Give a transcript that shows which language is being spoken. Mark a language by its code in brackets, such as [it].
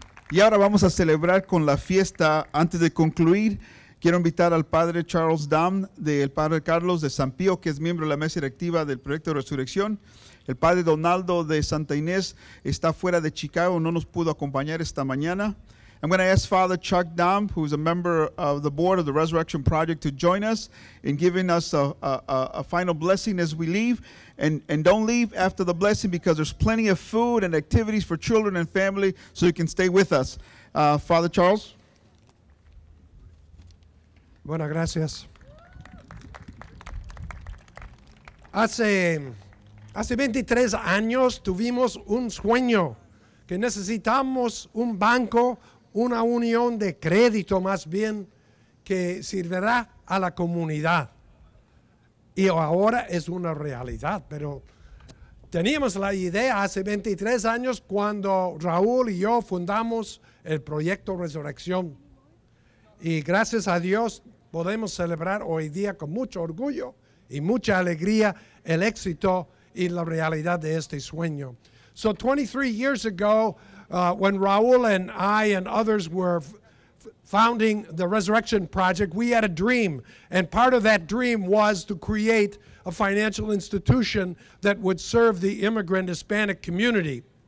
[es] Y ahora vamos a celebrar con la fiesta. Antes de concluir, quiero invitar al padre Charles Dam, del padre Carlos de San Pío, que es miembro de la mesa directiva del Proyecto de Resurrección. El padre Donaldo de Santa Inés está fuera de Chicago, no nos pudo acompañar esta mañana. [en] I'm going to ask Father Chuck Dom, who is a member of the board of the Resurrection Project, to join us in giving us a final blessing as we leave. And don't leave after the blessing, because there's plenty of food and activities for children and family, so you can stay with us. Father Charles. [es] Bueno, gracias. Hace 23 años tuvimos un sueño, que necesitamos un banco, una unión de crédito más bien, que servirá a la comunidad. Y ahora es una realidad, pero teníamos la idea hace 23 años cuando Raúl y yo fundamos el proyecto Resurrección. Y gracias a Dios podemos celebrar hoy día con mucho orgullo y mucha alegría el éxito y la realidad de este sueño. [en] So 23 years ago, when Raúl and I and others were founding the Resurrection Project, we had a dream. And part of that dream was to create a financial institution that would serve the immigrant Hispanic community.